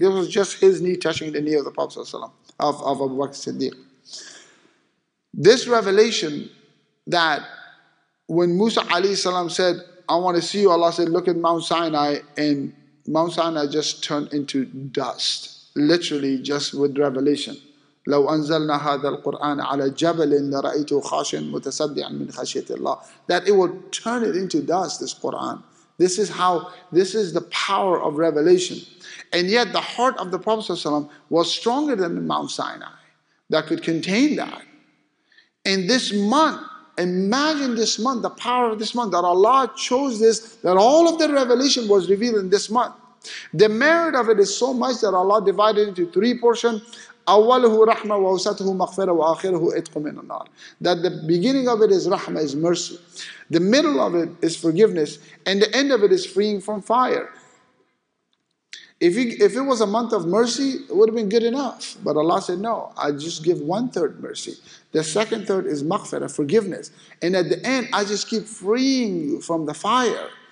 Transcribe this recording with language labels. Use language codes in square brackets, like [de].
[en] This was just his knee touching the knee of the Prophet ﷺ, of Abu Bakr Siddiq. This revelation that when Musa ﷺ said, I want to see you, Allah said, look at Mount Sinai, and Mount Sinai just turned into dust, literally just with revelation. [ar] لو أنزلنا هذا القرآن على جبل لرأيته خاشعا متصدعا من خشية الله. [en] That it will turn it into dust, this Quran. This is how, this is the power of revelation. And yet the heart of the Prophet ﷺ was stronger than Mount Sinai that could contain that. And this month, imagine this month, the power of this month, that Allah chose this, that all of the revelation was revealed in this month. The merit of it is so much that Allah divided it into three portions. [ar] أوله رحمة ووسطه مغفرة وآخره إتق من النار. [en] That the beginning of it is rahmah, is mercy. The middle of it is forgiveness, and the end of it is freeing from fire. If it was a month of mercy, it would have been good enough. But Allah said, no, I just give one third mercy. The second third is maghfira, forgiveness. And at the end, I just keep freeing you from the fire.